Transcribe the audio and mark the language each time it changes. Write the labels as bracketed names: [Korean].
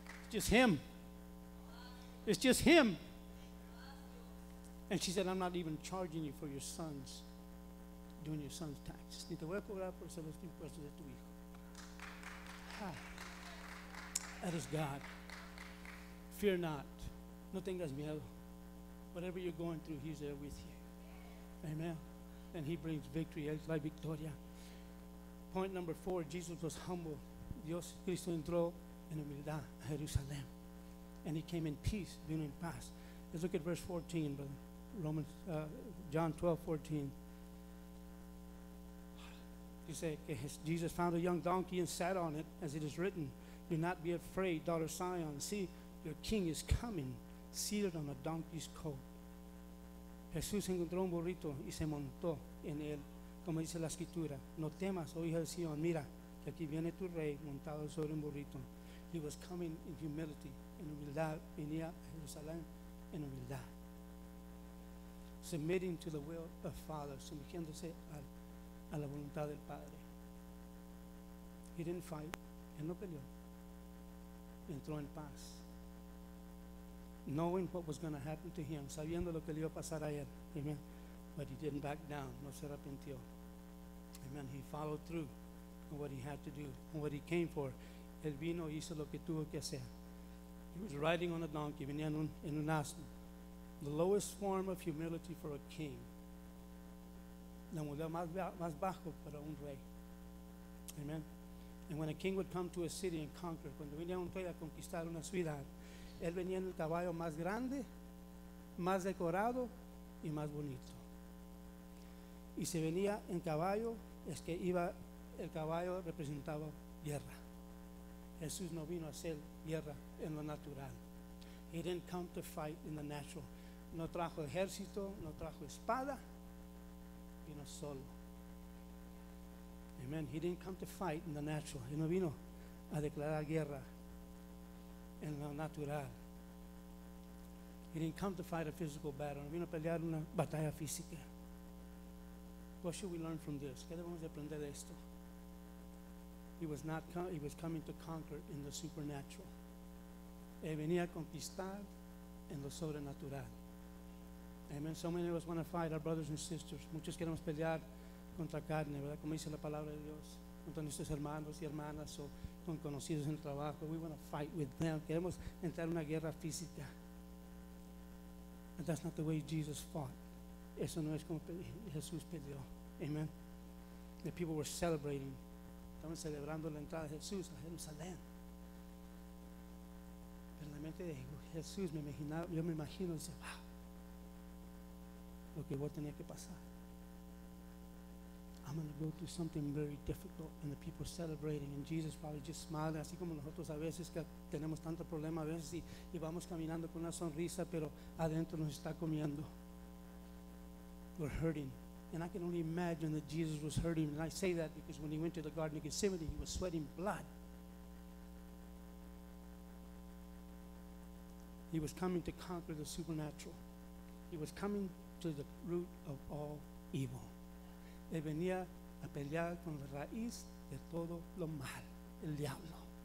[English] Just him. It's just him. And she said, I'm not even charging you for your son's, doing your son's taxes. [Spanish] Ni te voy a cobrar por hacer los impuestos de tu hijo. [English] That is God. Fear not. [Spanish] No tengas miedo. [English] Whatever you're going through, he's there with you. Amen. And he brings victory. [Spanish] Es la victoria. [English] Point number four, Jesus was humble. [Spanish] Dios Cristo entró en humildad a Jerusalén. [English] And he came in peace, [Spanish] vino en paz. [English] Let's look at verse 14, brother. Romans, John 12, 14. You say, Jesus found a young donkey and sat on it, as it is written, do not be afraid, daughter Zion. See, your king is coming, seated on a donkey's coat. [Spanish] Jesús encontró un burrito y se montó en él, como dice la escritura. No temas, oh hija de Sion, mira, que aquí viene tu rey montado sobre un burrito. [English] He was coming in humility, [Spanish] en humildad, venía a Jerusalén en humildad. [English] Submitting to the will of Father, [Spanish] sometiéndose a la voluntad del Padre. [English] He didn't fight, [Spanish] él no peleó. Entró en paz. [English] Knowing what was going to happen to him, [Spanish] sabiendo lo que le iba a pasar a él. Amen. [English] But he didn't back down, [Spanish] no se arrepintió. [English] Amen. He followed through on what he had to do, on what he came for. [Spanish] Él vino, hizo lo que tuvo que hacer. [English] He was riding on a donkey, [Spanish] venía en un asno. [English] The lowest form of humility for a king. [Spanish] La humildad más bajo para un rey. Amen. [English] And when a king would come to a city and conquer, [Spanish] cuando venía un rey a conquistar una ciudad, él venía en el caballo más grande, más decorado y más bonito. Y si venía en caballo, es que iba, el caballo representaba guerra. Jesús no vino a hacer guerra en lo natural. [English] He didn't come to fight in the natural. [Spanish] No trajo ejército, no trajo espada, vino solo. Amen. [English] He didn't come to fight in the natural. [Spanish] Él no vino a declarar guerra en lo natural. [English] He didn't come to fight a physical battle. [Spanish] No vino a pelear una batalla física. [English] What should we learn from this? [Spanish] ¿Qué debemos aprender de esto? [English] He was coming to conquer in the supernatural. [Spanish] Él venía a conquistar en lo sobrenatural. Amen. [English] So many of us want to fight our brothers and sisters. [Spanish] Muchos queremos pelear contra carne, ¿verdad? Como dice la palabra de Dios. Contra nuestros hermanos y hermanas o con conocidos en el trabajo. [English] We want to fight with them. [Spanish] Queremos entrar en una guerra física. [English] But that's not the way Jesus fought. [Spanish] Eso no es como Jesús peleó. Amen. [English] The people were celebrating. [Spanish] Estaban celebrando la entrada de Jesús a Jerusalén. Pero en la mente de Jesús me imaginaba, yo me imagino, dice, wow. Lo que voy a tener que pasar. [English] I'm going to go through something very difficult, and the people are celebrating, and Jesus probably just smiling, [Spanish] así como nosotros a veces que tenemos tanto problema a veces y vamos caminando con una sonrisa, pero adentro nos está comiendo. [English] We're hurting, and I can only imagine that Jesus was hurting, and I say that because when he went to the Garden of Gethsemane, he was sweating blood. He was coming to conquer the supernatural. He was coming to the root of all evil. [Spanish] Él venía a pelear con la raíz de todo lo mal, el diablo.